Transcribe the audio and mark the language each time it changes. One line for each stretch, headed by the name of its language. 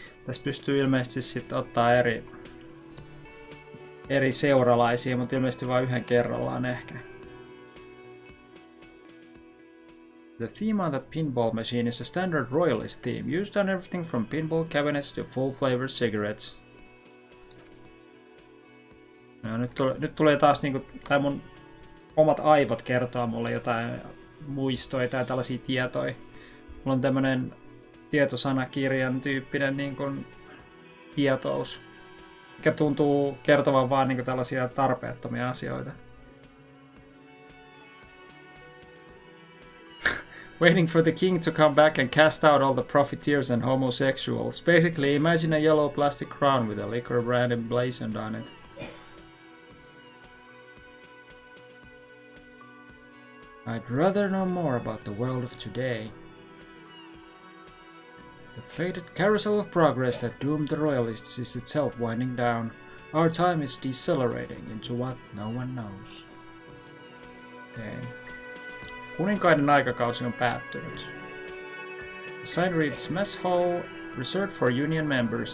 Finnish: Tässä pystyy ilmeisesti sitten ottaa eri seuralaisia, mutta ilmeisesti vain yhden kerrallaan ehkä.
English: The theme on the pinball machine is a standard royalist theme, used on everything from pinball cabinets to full-flavored cigarettes.
Finnish: No, nyt tulee taas niinku tää mun omat aivot kertoa mulle jotain muistoja tai tällaisia tietoja. Mulla on tämmönen tietosanakirjan tyyppinen niin kuin tietous, mikä tuntuu kertovan vaan niin kuin tällaisia tarpeettomia asioita.
English: Waiting for the king to come back and cast out all the profiteers and homosexuals. Basically, imagine a yellow plastic crown with a liquor brand emblazoned on it. I'd rather know more about the world of today. The faded carousel of progress that doomed the royalists is itself winding down. Our time is decelerating into what no one knows. Okay.
Finnish: Kuninkaiden aikakausi on päättynyt.
English: The sign reads Mess Hall reserved for union members.